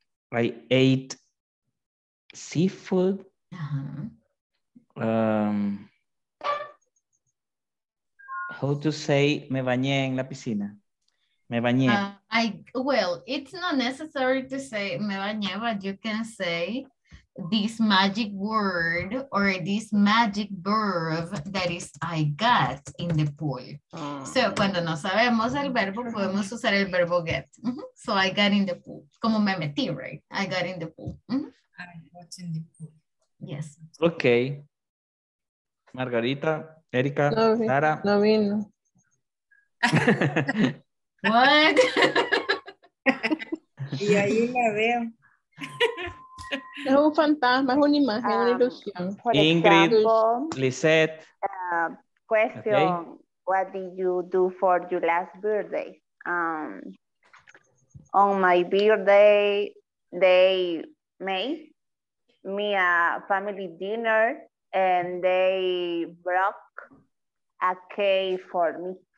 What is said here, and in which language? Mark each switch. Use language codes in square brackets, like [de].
[en] I ate seafood. How to say [es] me bañé en la piscina? Me bañé. [en] It's not necessary to say [es] me bañé, [en] but you can say this magic word or this magic verb that is I got in the pool. [es] So cuando no sabemos el verbo, podemos usar el verbo get. [en] So I got in the pool. [es] Como me metí, [en] right? I got in the pool. I got in the pool. Yes. Okay. Margarita, Erika, Sara. [es] No vino. [en] What? [es] Y ahí la veo. Es un fantasma, es una imagen, una ilusión. Ingrid, Lisette. [en] Question, okay. What did you do for your last birthday? On my birthday, they made me a family dinner and they broke a cake for me.